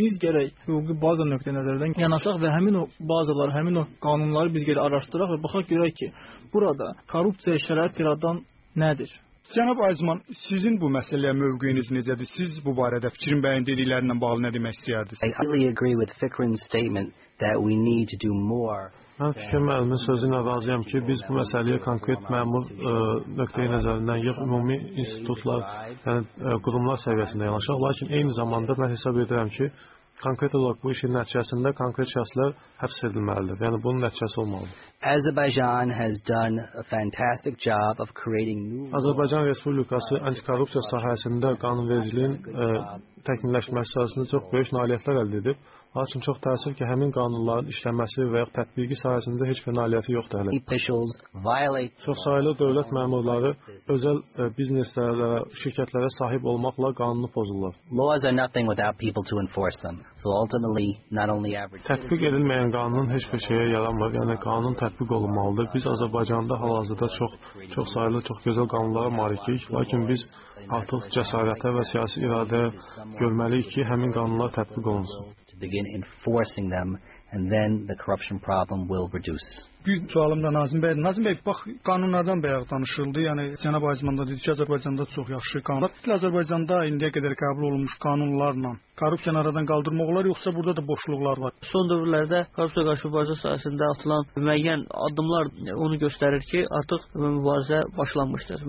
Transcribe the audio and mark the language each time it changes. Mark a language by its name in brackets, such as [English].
[Azerbaijani] Biz gərək hüquqi baza nöqtə nəzərdən yanaşaq və həmin o bazaları, həmin o qanunları biz gərək araşdıraq və baxaq görək ki, burada korrupsiya şərait iradan nədir? Cənab Aizman, sizin bu məsələyə mövqeyiniz necədir? Siz bu barədə Fikrin bəyin dediklərinlə bağlı nə demək istəyərdiniz? [English] I really agree with Fikrin's statement that we need to do more. [Azerbaijani] Mən Fikrin müəllimin sözünə razıyam ki, biz bu məsələyə konkret məmur nöqtəyi nəzərindən yox, ümumi institutlar, yəni qurumlar səviyyəsində yanaşaq. Lakin eyni zamanda mən hesab edirəm ki, konkret olaraq bu işin nəticəsində konkret şəxslər həbs edilməlidir. Yəni, bunun nəticəsi olmalıdır. Azərbaycan Respublikası antikorrupsiya sahəsində qanunvericiliyin təkmilləşməsi sahəsində çox böyük nailiyyətlər əldə edib. Lakin çox təəssüf ki, həmin qanunların işləməsi və yaxud tətbiqi sahəsində heç bir nailiyyəti yoxdur hələ. Çox sayılı dövlət məmurları özəl bizneslərə, şirkətlərə sahib olmaqla qanunu pozurlar. Tətbiq edilməyən qanunun heç bir şeyə yaranmır. Yəni, qanun tətbiq olunmalıdır. Biz Azərbaycanda hal-hazırda çox sayılı, çox gözəl qanunlara malikik. Lakin biz artıq cəsarətə və siyasi iradə görməliyik ki, həmin qanunlar tətbiq olunsun. [English] Begin enforcing them and then the corruption problem will reduce. [Azerbaijani] Bir sualım da Nazim Bey. Nazim Bey, bax, qanunlardan bayaq danışıldı. Yəni, Cənab Aizman da dedi ki, Azərbaycanda çox yaxşı qanunlar. Bir Azərbaycanda indiyə qədər qəbul olunmuş qanunlarla korrupsiyanı aradan qaldırmaq olar, yoxsa burada da boşluqlar var? Son dövrlərdə korrupsiya qarşı mübarizə sahəsində atılan müəyyən addımlar onu göstərir ki, artıq mübarizə başlanmışdır.